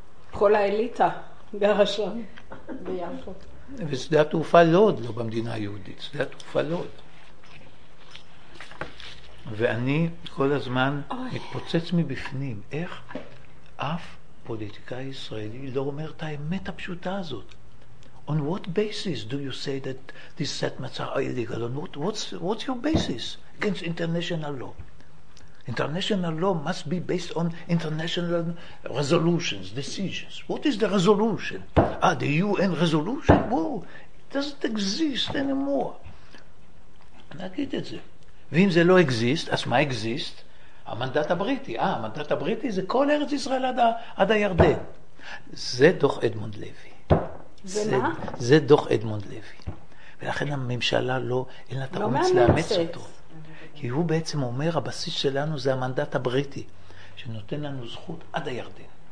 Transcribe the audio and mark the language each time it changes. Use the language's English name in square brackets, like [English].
[Hebrew] כל האליטה גרה שם ביפו. ושדה התעופה לוד לא במדינה היהודית, שדה התעופה לוד. ואני כל הזמן מתפוצץ מבפנים, איך אף פוליטיקאי ישראלי לא אומר את האמת הפשוטה הזאת. [English] On what basis do you say that these settlements are illegal? On what, what's your basis against international law? International law must be based on international resolutions, decisions. What is the resolution? Ah, the UN resolution? Whoa, it doesn't exist anymore. [Hebrew] אני אגיד את זה. ואם זה לא exist, אז מה exist? המנדט הבריטי. המנדט הבריטי זה כל ארץ ישראל עד הירדן. זה דוח אדמונד לוי. זה דוח אדמונד לוי. ולכן הממשלה לא, אין לה את האומץ לאמץ אותו. כי הוא בעצם אומר, הבסיס שלנו זה המנדט הבריטי, שנותן לנו זכות עד הירדן.